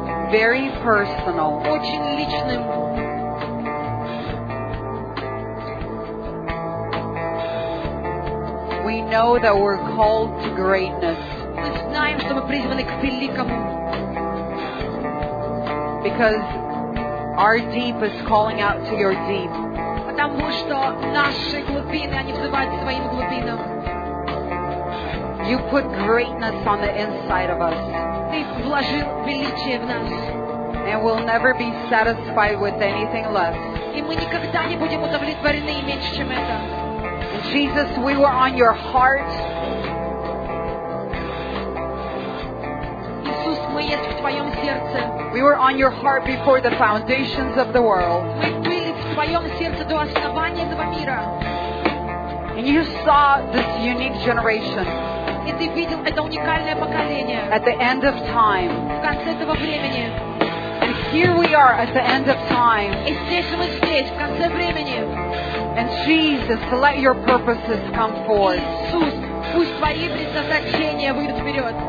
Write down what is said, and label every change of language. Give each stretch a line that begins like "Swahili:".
English: Very personal.
Russian: Очень личным.
English: We know that we're called to greatness.
Russian: Мы знаем, что мы призваны к великому.
English: Because our deep is calling out to your deep.
Russian: Потому что наши глубины, они взывают к своим глубинам.
English: You put greatness on the inside of us.
Russian: Ты вложил величие в нас.
English: And we'll never be satisfied with anything less.
Russian: И мы никогда не будем удовлетворены меньше, чем это.
English: Jesus, we were on your heart.
Russian: Иисус, мы есть в твоем сердце.
English: We were on your heart before the foundations of the world.
Russian: Мы были в твоем сердце до основания этого мира.
English: And you saw this unique generation.
Russian: И ты видел это уникальное поколение.
English: At the end of time.
Russian: В конце этого времени.
English: And here we are at the end of time.
Russian: И здесь мы здесь, в конце времени.
English: And Jesus, let your purposes come forth.
Russian: Иисус, пусть твои предназначения выйдут вперед.